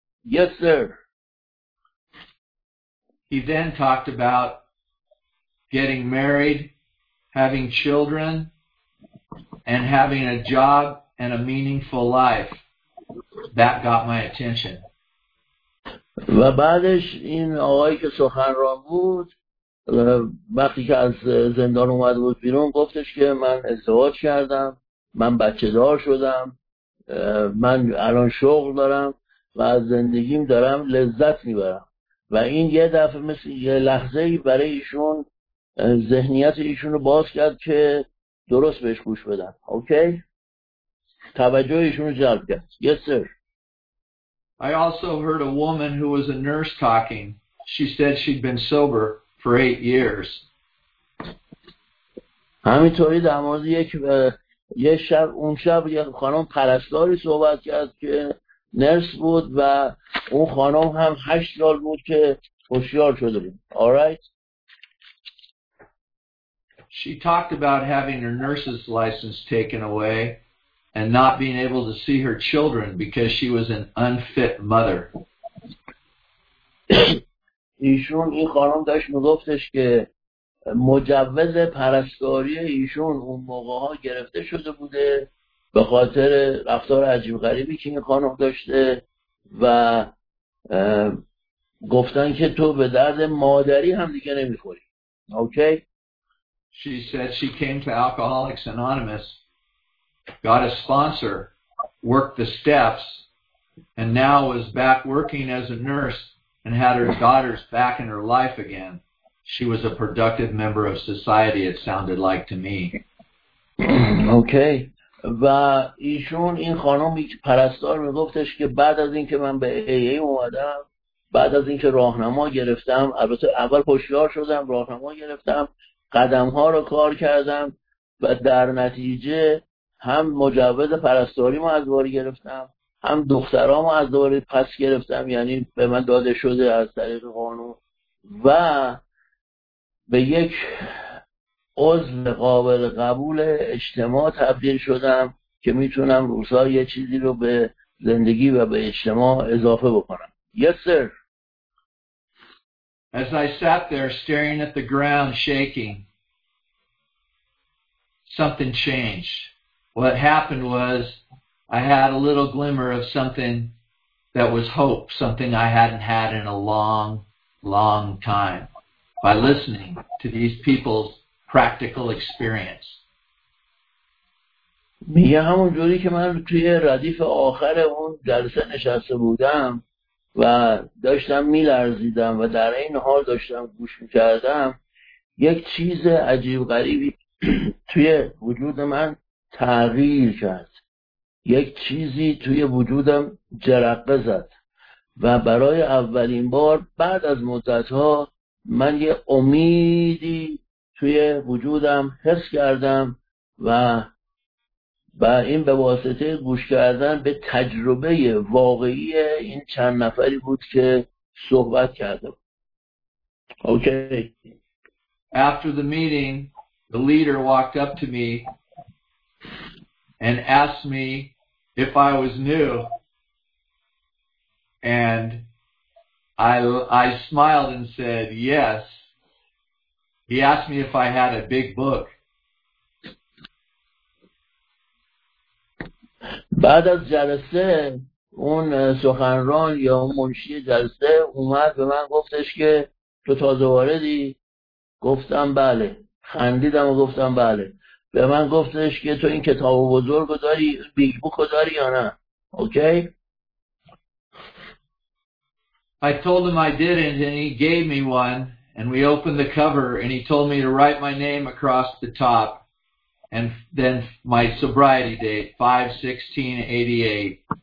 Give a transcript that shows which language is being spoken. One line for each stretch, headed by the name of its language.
English: Yes sir. He then talked about getting married, having children, and having a job and a meaningful life. That got my attention.
Persian: و بعدش این آقایی که سخنران بود وقتی که از زندان اومد بود بیرون گفتش که من ازدواج کردم، من بچه دار شدم، من الان شغل دارم و از زندگیم دارم لذت میبرم. و این یه دفعه مثل یه لحظه برای ایشون ذهنیت ایشون رو باز کرد که درست بهش گوش بدن. اوکی؟ توجه ایشون رو جلب کرد.
English: Yes sir. I also heard a woman who was a nurse talking. She said she'd been sober for 8 years.
Persian: همینطوری در مورد اون شب یک خانم پرستاری صحبت کرد که نرس بود و اون خانم هم 8 سال بود که هوشیار شده بود.
English: All right. She talked about having her nurse's license taken away and not being able to see her children because she was an unfit mother.
Persian: ایشون این خانم داشت میگفتش که مجوز پرستاری ایشون اون موقع ها گرفته شده بوده به خاطر رفتار عجیب غریبی که این خانم داشته و گفتن که تو به درد مادری هم دیگه نمیخوری. اوکی؟
English: She said she came to Alcoholics Anonymous, got a sponsor, worked the steps, and now was back working as a nurse and had her daughters back in her life again. She was a productive member of society, it sounded like to me. Okay.
Persian: و ایشون این خانمی که پرستار میگفتش که بعد از اینکه من به AA اومدم بعد از اینکه راهنما گرفتم البته اول هوشیار شدم راهنما گرفتم قدم ها رو کار کردم و در نتیجه هم مجوز پرستاری مو از دوباره گرفتم هم دخترامو از دوباره پس گرفتم یعنی به من داده شده از طریق قانون و به یک عضو قابل قبول اجتماع تبدیل شدم که میتونم روزها یه چیزی رو به زندگی و به اجتماع اضافه بکنم.
English: Yes sir. As I sat there staring at the ground shaking, something changed. What happened was I had a little glimmer of something that was hope, something I hadn't had in a long, long time by listening to these people's practical experience.
Persian: میگه همونجوری که من توی ردیف آخر اون جلسه نشسته بودم و داشتم میلرزیدم و در این حال داشتم گوش میکردم یک چیز عجیب غریبی توی وجود من تغییر کرد یک چیزی توی وجودم جرقه زد و برای اولین بار بعد از مدتها من یه امیدی توی وجودم حس کردم و این به واسطه گوش کردن به تجربه واقعی این چند نفری بود که صحبت کرده بود.
English: Okay. After the meeting, the leader walked up to me and asked me if I was new. And I smiled and said, "Yes." He asked me if I had a big book.
Persian: بعد از جلسه اون سخنران یا اون منشی جلسه اومد به من گفتش که تو تازه واردی؟ گفتم بله. خندیدم و گفتم بله. به من گفتش که تو این کتاب بزرگ داری؟ بیگ بوک داری یا نه؟ اوکی؟
English: I told him I didn't, and he gave me one, and we opened the cover, and he told me to write my name across the top, and then my sobriety date, 5/16/88.